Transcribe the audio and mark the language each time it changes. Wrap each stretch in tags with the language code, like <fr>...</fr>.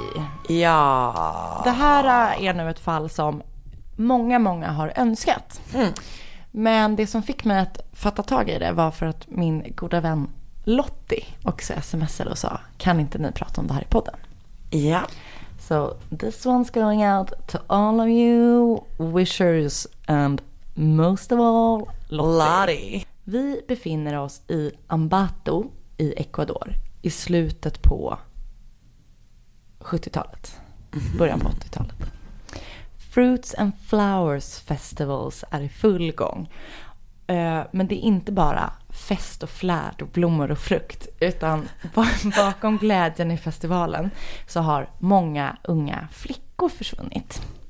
<sv>Okay. Ja. Det här är nu ett fall som många, många har önskat. Mm. Men det som fick mig att fatta tag i det var för att min goda vän Lottie också smsade och sa, kan inte ni prata om det här i podden? Ja. Så</sv> <en>So this one's going out to all of you wishers and most of all Lottie. Lottie.</en> <sv>Vi befinner oss i Ambato i Ecuador i slutet på 70-talet, början på 80-talet. Fruits and Flowers Festivals är i full gång. Men det är inte bara fest och flärd och blommor och frukt, utan bakom glädjen i festivalen så har många unga flickor försvunnit.</sv>